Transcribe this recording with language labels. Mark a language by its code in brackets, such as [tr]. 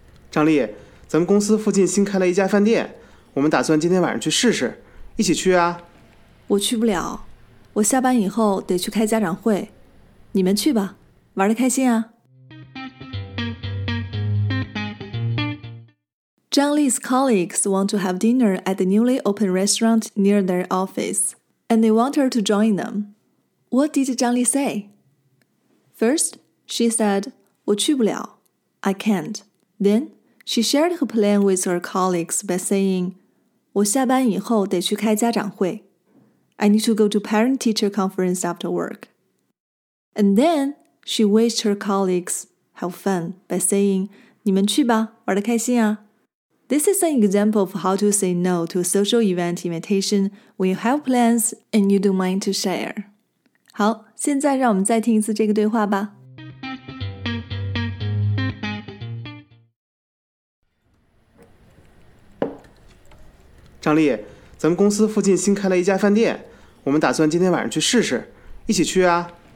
[zh] 张丽, 咱们公司附近新开了一家饭店, 我们打算今天晚上去试试, 一起去啊? 我去不了。我下班以后得去开家长会。你们去吧,玩得开心啊。 [en] Zhang Li's colleagues want to have dinner at the newly opened restaurant near their office, and they want her to join them. What did Zhang Li say? First, she said, [zh] 我去不了, [en] I can't. Then, she shared her plan with her colleagues by saying, [zh] 我下班以后得去开家长会。 [en] I need to go to parent-teacher conference after work. And then, she wished her colleagues have fun by saying, [zh] 你们去吧,玩得开心啊。 [en] This is an example of how to say no to a social event invitation when you have plans and you don't mind to share. [zh] 好,现在让我们再听一次这个对话吧。张丽,咱们公司附近新开了一家饭店,我们打算今天晚上去试试,一起去啊。